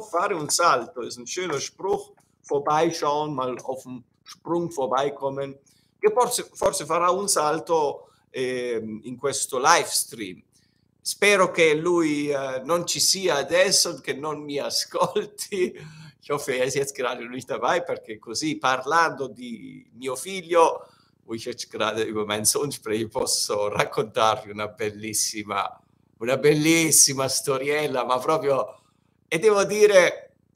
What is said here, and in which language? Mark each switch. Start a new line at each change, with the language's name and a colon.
German: Fare un salto ist ein schöner Spruch. Vorbeischauen, mal auf dem Sprung vorbeikommen.
Italian: Che forse farà un salto in questo Livestream. Spero che lui non ci sia adesso, che non mi ascolti.
German: Ich hoffe, er ist jetzt gerade nicht dabei,
Italian: perché così parlando di mio figlio.
German: Ich jetzt gerade über meinen Sohn spreche,
Italian: posso raccontarvi una bellissima storiella, ma proprio, e devo dire,